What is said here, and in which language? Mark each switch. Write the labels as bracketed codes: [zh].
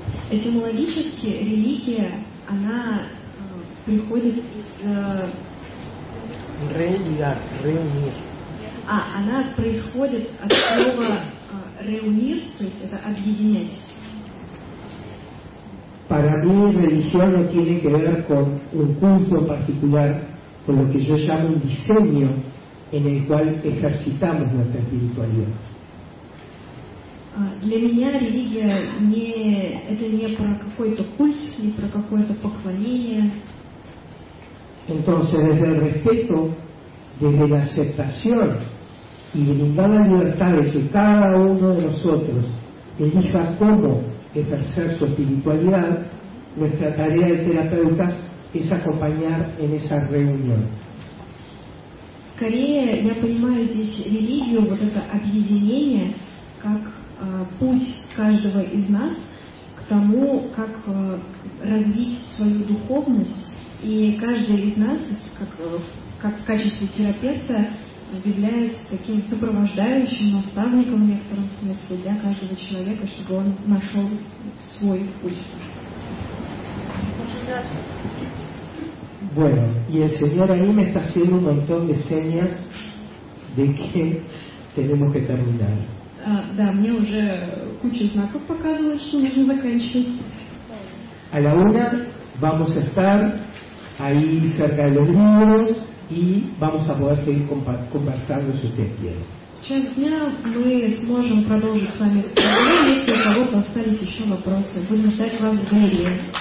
[ru] Этимологически религия, она приходит из реунир. Она происходит от слова реунир, то есть это объединять. [es] Para mí religión no tiene que ver con un culto particular, con lo que yo llamo un diseño en el cual ejercitamos nuestra espiritualidad. [ru] Для меня религия не про какой-то культ, не про какое-то поклонение. [es] Entonces, desde el respeto, desde la aceptación y la libertad de que cada uno de nosotros elija cómo ejercer su espiritualidad, nuestra tarea de terapeutas es acompañar en esa reunión. [ru] Скорее, я понимаю здесь религию, вот это объединение, как путь каждого из нас к тому, как развить свою духовность, и каждый из нас, как в качестве терапевта, является таким сопровождающим, наставником в некотором смысле для каждого человека, чтобы он нашел свой путь. [es] Bueno, y el señor ahí me está haciendo un montón de señas de que tenemos que terminar. [ru] Да, мне уже куча знаков показывают, что нужно заканчивать. [es] A la una vamos a estar ahí cerca de los libros y vamos a poder seguir conversando si usted quiere. [ru] Сейчас дня мы сможем продолжить с вами. Если у кого-то остались еще вопросы, будем ждать вас в галерее.